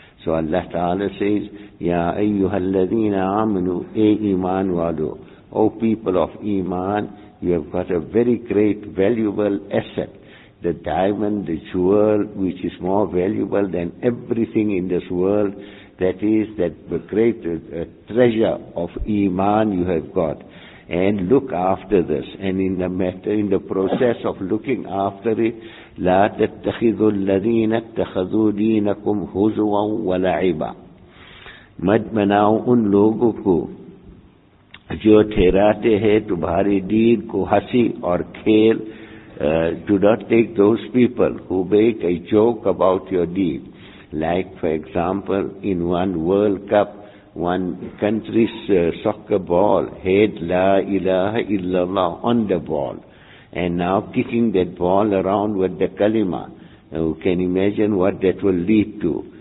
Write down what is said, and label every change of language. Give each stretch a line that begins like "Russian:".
English: So Allah Ta'ala says,
Arabic: Ya ayyuhal ladhina amanu,
Urdu: e iman walu,
English: O people of iman, you have got a very great valuable asset, the diamond, the jewel, which is more valuable than everything in this world, that is that great treasure of iman you have got. And look after this. And in the matter, in the process of looking after it,
Arabic: لا تتخذوا الذين اتخذوا دينكم هزوا ولعبا.
Urdu: مت بناؤ ان لوگوں کو جو ٹھہراتے ہیں تمہاری دین کو ہنسی اور کھیل.
English: Do not take those people who make a joke about your deen. Like for example, in one World Cup, one country's soccer ball had La ilaha illallah on the ball, and now kicking that ball around with the kalima, you can imagine what that will lead to.